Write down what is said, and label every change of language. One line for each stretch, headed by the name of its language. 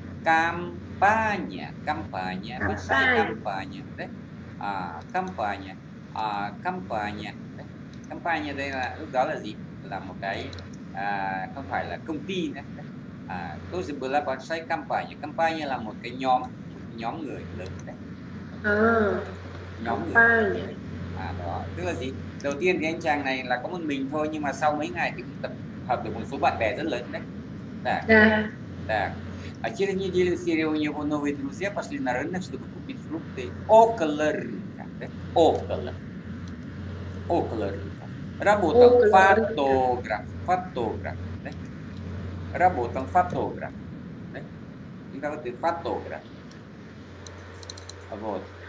Russian: Компания, компания, большая компания, да. À, компания, à, компания, да.
Vietnamese: Компания, đây là lúc đó là gì? Là một cái, à, không phải là công ty nữa. À, tôi sẽ bảo là bạn sai campaign. Campaign là một cái nhóm, nhóm người lớn đấy. Nhóm campaign. Người. À, đó. Tức là gì? Đầu tiên thì anh chàng này là có một mình thôi, nhưng mà sau mấy ngày thì cũng tập hợp được một số bạn bè rất lớn đấy.
Russian: Да. Да. А через неделю Серёга у него новые друзья пошли на рынок, чтобы купить фрукты около рынка. Около. Около рынка. Работал фотограф. Фотограф. Работал фотограф, да? Итак, ты фотограф. Вот.